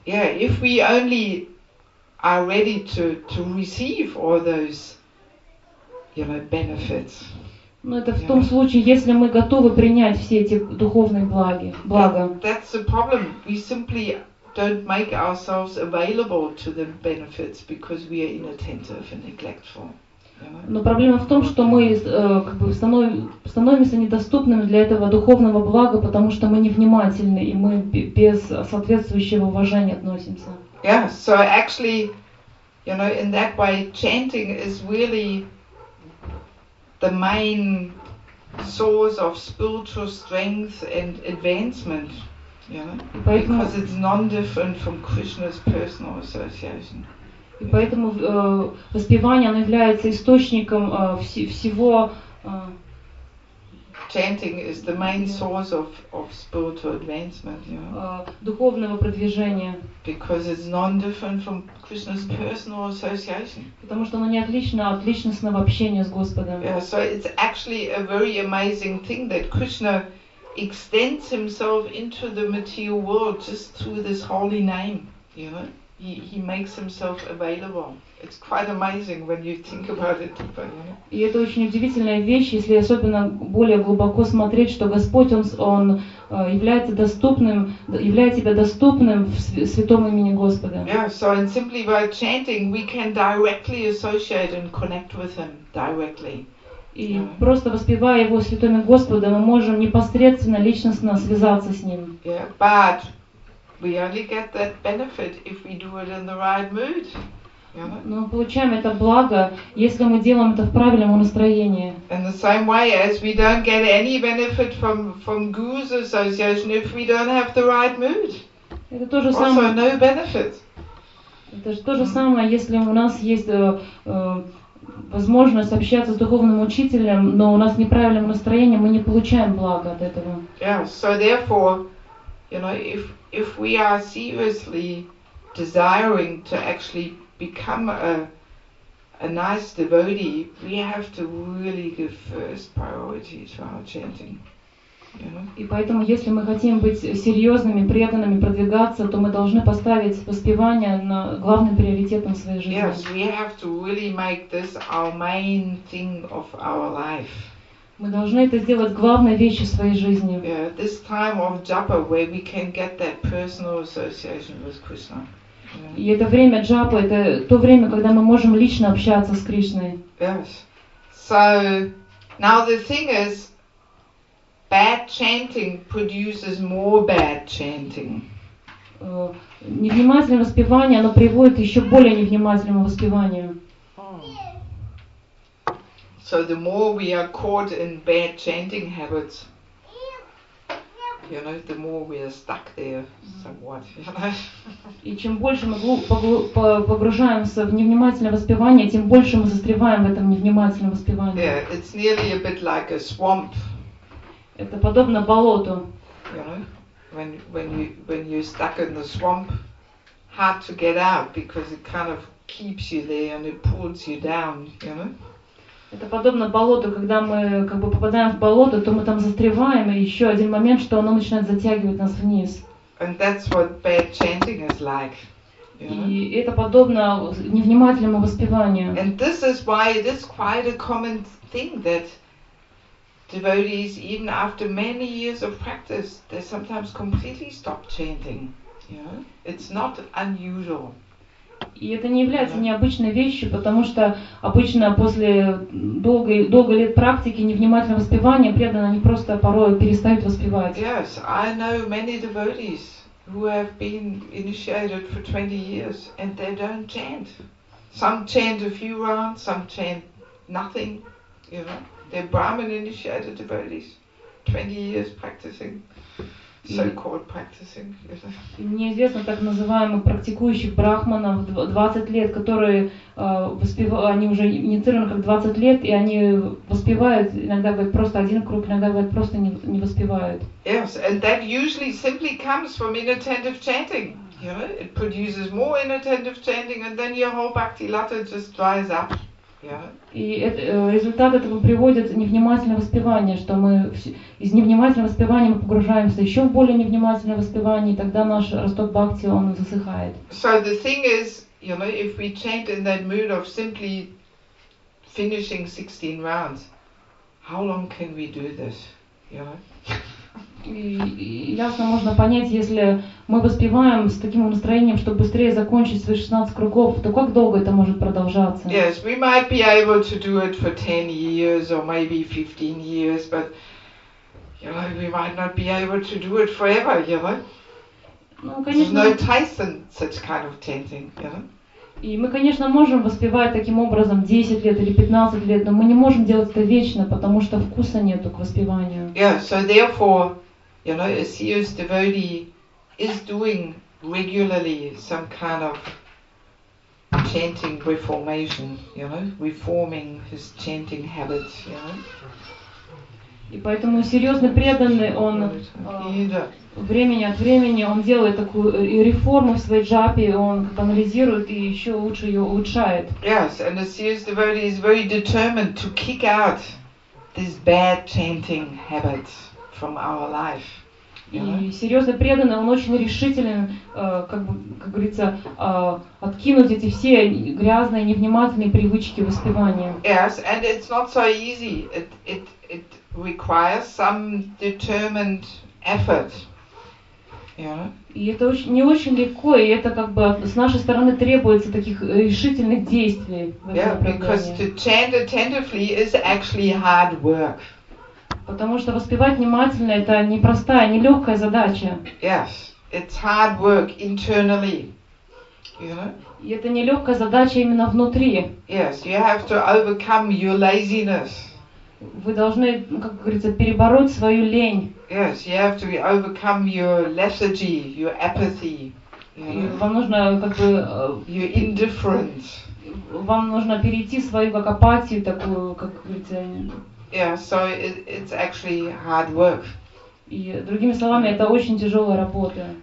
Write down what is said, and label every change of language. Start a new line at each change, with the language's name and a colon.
English: Yeah, if we only are ready to receive all those, you know, benefits.
Russian: Но это в том случае, если мы готовы принять все эти духовные блага.
English: That's the problem. We simply don't make ourselves available to the benefits because we are inattentive and neglectful.
Russian: Но проблема в том, что мы становимся недоступными для этого духовного блага, потому что мы невнимательны и мы без соответствующего уважения относимся.
English: Yeah, so actually, you know, in that way, chanting is really the main source of spiritual strength and advancement, you know, because it's non-different from Krishna's personal association.
Russian: И поэтому воспевание, оно является источником всего.
English: Chanting is the main source of spiritual advancement, you know.
Russian: Духовного продвижения.
English: Because it's non-different from Krishna's personal association.
Russian: Потому что оно не отлично от личностного общения с Господом.
English: Yeah, so it's actually a very amazing thing that Krishna extends himself into the material world just through this holy name, you know. He makes himself available. It's quite amazing when you think about it, deeper, you know.
Russian: И это очень удивительная вещь, если особенно более глубоко смотреть, что Господь он является доступным, является себя доступным в святом имени Господа.
English: Yeah, so and simply by chanting, we can directly associate and connect with him directly.
Russian: И просто воспевая его святым именем Господа, мы можем непосредственно личностно связаться с ним.
English: Yeah, but we only get that benefit if we do it in the right mood.
Russian: Но мы получаем это благо, если мы делаем это в правильном настроении.
English: In the same way as we don't get any benefit from Guru's association if we don't have the right mood.
Russian: Это то же самое.
English: Also, no benefit.
Russian: Это же то же самое, если у нас есть возможность общаться с духовным учителем, но у нас неправильное настроение, мы не получаем благо от этого.
English: Yeah, so therefore, you know, if we are seriously desiring to actually become a nice devotee, we have to really give first priority to our chanting. You know?
Russian: И поэтому, если мы хотим быть серьезными, преданными, продвигаться, то мы должны поставить воспевание на главным приоритетом своей жизни.
English: Yes, we have to really make this our main thing of our life.
Russian: Мы должны это сделать главной вещью своей жизни.
English: Yeah, this time of japa where we can get that personal association with Krishna.
Russian: И это время джапы, это то время, когда мы можем лично общаться с Кришной.
English: Yes. So now the thing is, bad chanting produces more bad chanting.
Russian: Невнимательное воспевание, оно приводит еще более невнимательному воспеванию.
English: So the more we are caught in bad chanting habits, you know, the more we are stuck there somewhat, you know.
Russian: И чем больше мы погружаемся в невнимательное воспевание, тем больше мы застреваем в этом невнимательном воспевании.
English: Yeah, it's nearly a bit like a swamp.
Russian: Это подобно болоту.
English: You know, when you stuck in the swamp, hard to get out because it kind of keeps you there and it pulls you down, you know.
Russian: Это подобно болоту, когда мы как бы попадаем в болото, то мы там застреваем, и еще один момент, что оно начинает затягивать нас вниз.
English: And that's what bad chanting is like.
Russian: И это подобно невнимательному воспеванию.
English: And this is why it is quite a common thing that devotees, even after many years of practice, they sometimes completely stop chanting. Yeah. It's not unusual.
Russian: И это не является необычной вещью, потому что обычно после долгой лет практики невнимательного воспевания преданные они просто порой перестают воспевать.
English: Yes, I know many devotees who have been initiated for 20 years and they don't chant. Some chant a few rounds, some chant nothing. You know, they're Brahman initiated devotees, 20 years practicing. So-called practicing.
Russian: Мне известно так называемых практикующих брахманов 20 лет, которые они уже инициированы как 20 лет, и они воспевают, иногда говорят просто один круг, иногда говорят просто не воспевают.
English: Yes, and that usually simply comes from inattentive chanting. You know, it produces more inattentive chanting, and then your whole bhakti lata just dries up. Yeah.
Russian: И результат этого приводит невнимательное воспевание, что мы из невнимательного воспевания мы погружаемся еще в более невнимательное воспевание, и тогда наш росток бхакти он засыхает.
English: So the thing is, you know, if we chant in that mood of simply finishing 16 rounds, how long can we do this? You know?
Russian: И ясно можно понять, если мы воспеваем с таким настроением, чтобы быстрее закончить свои 16 кругов, то как долго это может продолжаться?
English: Yes, we might be able to do it for 10 years or maybe 15 years, but you know, we might not be able to do it forever, you know?
Russian: Ну, конечно.
English: There's no taste in such kind of chanting, you know?
Russian: И мы, конечно, можем воспевать таким образом 10 лет или 15 лет, но мы не можем делать это вечно, потому что вкуса нету к воспеванию.
English: Yeah, so therefore, you know, a serious devotee is doing regularly some kind of chanting reformation, you know, reforming his chanting habits, you know.
Russian: И поэтому серьезный преданный, он времени от времени он делает такую реформу в своей джапе, он анализирует и еще лучше ее улучшает.
English: Yes, and a serious devotee is very determined to kick out these bad chanting habits from our life.
Russian: И серьезно преданный, он очень решителен, как говорится, откинуть эти все грязные, невнимательные привычки воспевания.
English: Yes, and it's not so easy. It requires some determined effort. Yeah.
Russian: И это очень, не очень легко, и это как бы с нашей стороны требуется таких решительных действий.
English: Yeah, because to chant attentively is actually hard work.
Russian: Потому что воспевать внимательно это непростая, не легкая задача.
English: Yes, it's hard work internally. You know?
Russian: И это не легкая задача именно внутри.
English: Yes, you have to overcome your laziness.
Russian: Вы должны, как говорится, перебороть свою лень.
English: Yes, you have to overcome your lethargy, your apathy. You know?
Russian: Вам нужно как бы
English: your indifference.
Russian: Вам нужно перейти свою как апатию такую, как говорится.
English: Yeah, so it's actually hard work.
Russian: И другими словами, это очень тяжелая работа.